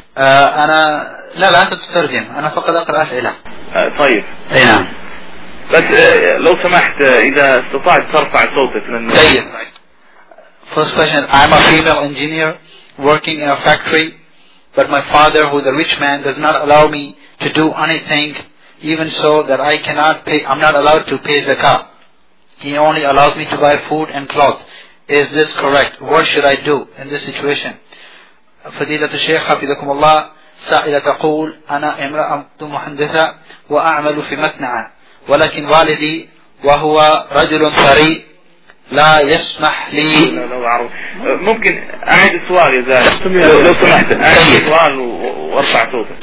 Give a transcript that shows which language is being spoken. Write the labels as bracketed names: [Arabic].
[Arabic] أنا لا لا أنت تترجم، أنا فقط أقرأ أسئلة. طيب. أي نعم. بس لو سمحت إذا استطعت ترفع صوتك لأن. طيب. [English] First question: I'm a female engineer working in a factory, but my father, who is a rich man, does not allow me to do anything, even so that I cannot pay. I'm not allowed to pay zakat. He only allows me to buy food and cloth. Is this correct? What should I do in this situation? [Arabic] فضيلة الشيخ حفظكم الله سائلة تقول أنا امرأة محدثة وأعمل في مصنع ولكن والدي وهو رجل ثري لا يسمح لي. ممكن أعيد السؤال إذا لو سمحت أعيد السؤال وارفع صوتك.